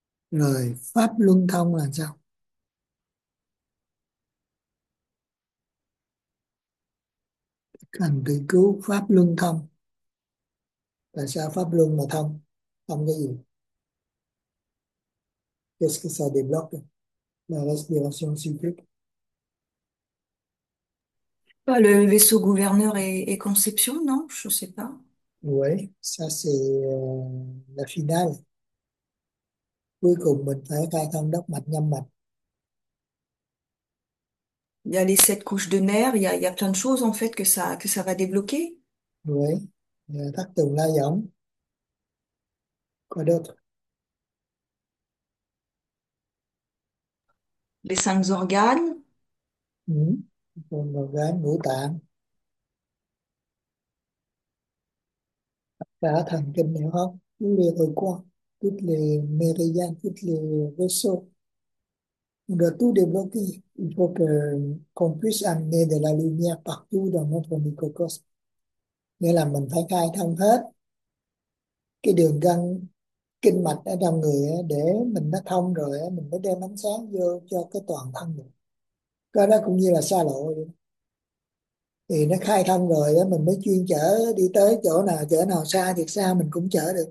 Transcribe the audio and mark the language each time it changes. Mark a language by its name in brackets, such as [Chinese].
[Vietnamese] Rồi pháp luân thông là sao? Hành tự cứu, pháp luân thông. Tại sao pháp luân mà thông? Thông cái gì? [French] Qu'est-ce que ça débloque? La respiration Le vaisseau gouverneur et conception, non? Je ne sais pas. cyclique. Oui, ça c'est la finale. [Vietnamese] Cuối cùng mình phải khai thông đốc mạch, nhâm mạch. [French] Il y a les sept couches de nerfs, il y a plein de choses en fait que ça va débloquer. [Vietnamese] Oui, thắt tùng la võng. [French] Quoi d'autre? Les cinq organes. [Vietnamese] Ngũ tạng. Cả thần kinh hiểu không? Cứ liền rồi qua. Tức là meridian, tức là vaisseau. Rồi [French] tout débloqué. Il faut qu'on puisse amener de la lumière partout dans notre microcosme. [Vietnamese] Nghĩa là mình phải khai thông hết cái đường gân kinh mạch ở trong người để mình nó thông rồi mình mới đem ánh sáng vô cho cái toàn thân mình. Cái đó cũng như là xa lộ vậy. Thì nó khai thông rồi mình mới chuyên chở đi tới chỗ nào xa thì xa mình cũng chở được.